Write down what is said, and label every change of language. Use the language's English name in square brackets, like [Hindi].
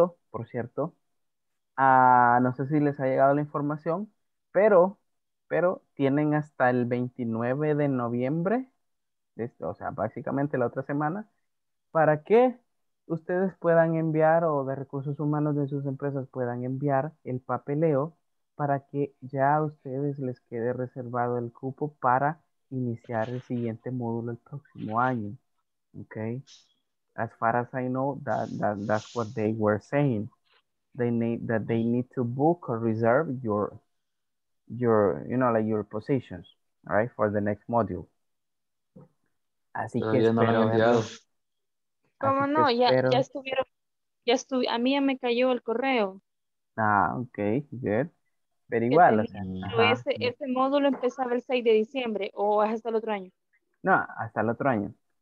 [Spanish] Por cierto, no sé si les ha llegado la información, pero tienen hasta el 29 de noviembre, o sea, básicamente la otra semana, para que ustedes puedan enviar, o de recursos humanos de sus empresas puedan enviar el papeleo para que ya a ustedes les quede reservado el cupo para iniciar el siguiente módulo el próximo año. ¿Ok? [English] As far as I know, that's what they were saying. They need to book or reserve your positions, all right, for the next module. [Spanish] Así pero que yo no me he enviado. ¿Cómo no? Ya estuvieron, a mí ya me cayó el correo. [English] Ah, okay, good. [Spanish] Pero igual, ese módulo empezaba el 6 de diciembre o hasta el otro año. No, hasta el otro año.